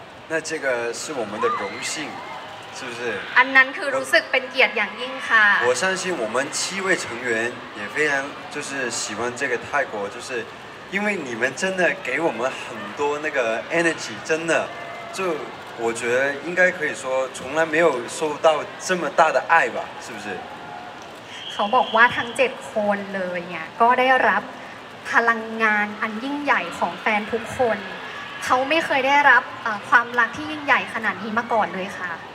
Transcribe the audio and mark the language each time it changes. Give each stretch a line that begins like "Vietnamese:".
Chinese: 那这个是我们的荣幸是不是
Thai: อันนั้นคือรู้สึกเป็นเกียรติอย่างยิ่งค่ะ
Chinese: 我相信我们七位成员也非常就是喜欢这个泰国就是因为你们真的给我们很多那个 energy 真的就我觉得应该可以说从来没有受到这么大的爱吧是不是
Thai: เขาบอกว่าทั้ง7คนเลยเนี่ยก็ได้รับพลังงานอันยิ่งใหญ่ของแฟนทุกคนเขาไม่เคยได้รับความรักที่ยิ่งใหญ่ขนาดนี้มาก่อนเลยค่ะ